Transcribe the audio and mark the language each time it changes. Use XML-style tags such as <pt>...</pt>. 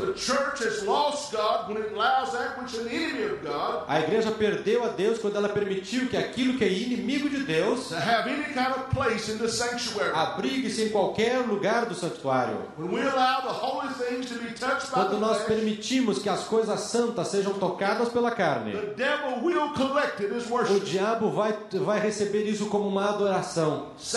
<en>The church has lost God when it allows that which is an enemy of God.</en> <pt>A igreja perdeu a Deus quando ela permitiu que aquilo que é inimigo de Deus</pt> <en>have any kind of place in the sanctuary.</en> <pt>Abrigue-se em qualquer lugar do santuário.</pt> <en>When we allow the holy things to be touched by</en> <pt>quando nós permitimos que as coisas santas sejam tocadas pela carne,</pt> <en>the devil will collect.</en> <pt>O diabo vai receber isso como uma adoração.</pt>